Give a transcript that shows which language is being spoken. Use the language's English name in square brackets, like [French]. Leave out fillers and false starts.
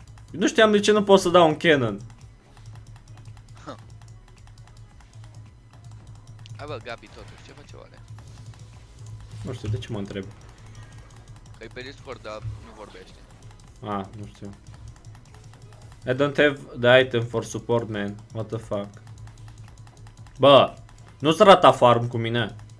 [Romanian] Nu știam de ce nu pot să dau un cannon. Hai bă, Gabi, totuși, ce face oare? Nu știu, de ce mă întreb? Că-i pe Discord, dar nu vorbește. Ah, nu știu. [English] I don't have the item for support, man. What the fuck? [Romanian] Bă, nu-ți rata farm cu mine.